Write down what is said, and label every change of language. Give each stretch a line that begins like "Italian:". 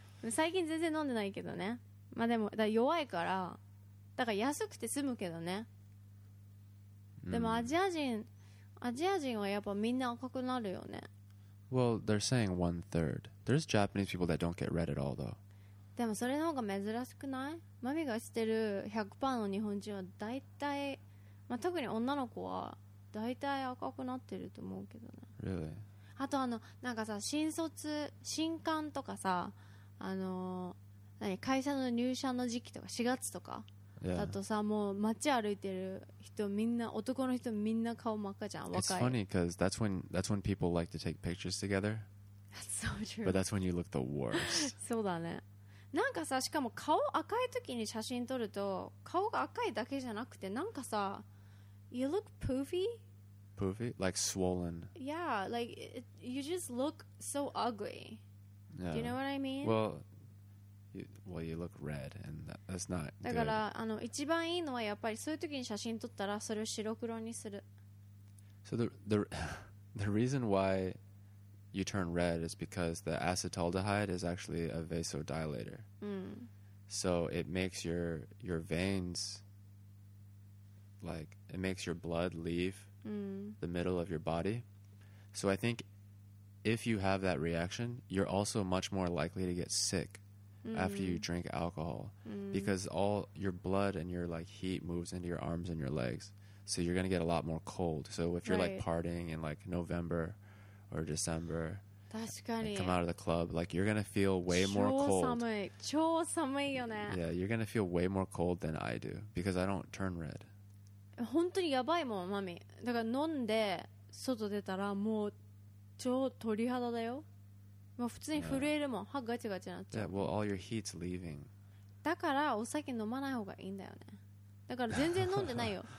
Japanese: 最近全然飲んでないけどね。まあでも、だから弱いから。だから安くて済むけどね。でもアジア人はやっぱみんな赤くなるよね。
English: Well, they're saying 1/3. There's Japanese people that don't get red at all, though.
Japanese: でもそれの方が珍しくない？マミが知ってる 100% の日本人は大体、まあ、特に女の子は大体赤くなってると思うけどね。
English: Really?
Japanese: あとあのなんかさ新卒新歓とかさあの何会社の入社の時期とか4月とかだとさ、
English: yeah.
Japanese: もう街歩いてる人みんな男の人みんな顔真っ赤じゃん若い。
English: It's funny because that's when people like to take pictures together. That's so true. But that's when you look the worst.
Japanese: そうだね。なんかさしかも顔赤い時に写真撮ると顔が赤いだけじゃなくてなんかさ
English: you look poofy. Poofy? Like swollen? Yeah, like you just look so ugly. Yeah. Do you know what I mean? Well, you look red, and that's not good.
Japanese: だからあの一番いいのはやっぱりそういう時に写真撮ったらそれを白黒にする。
English: So the reason why you turn red is because the acetaldehyde is actually a vasodilator. Mm. So it makes your veins like it makes your blood leave the middle of your body. So I think if you have that reaction, you're also much more likely to get sick after you drink alcohol because all your blood and your like heat moves into your arms and your legs. So you're going to get a lot more cold. So if you're like partying in like November or December, and come out of the club, like you're going to feel way more cold.
Japanese: 超寒いよね.
English: Yeah, you're going to feel way more cold than I do because I don't turn red.
Japanese: 本当にやばいもん、マミ。だから飲んで外出たらもう超鳥肌だよ。もう普通に震えるもん。歯ガチガチになっちゃう。
English: Yeah, well, all your heat's leaving.
Japanese: だからお酒飲まない方がいいんだよね。だから全然飲んでないよ。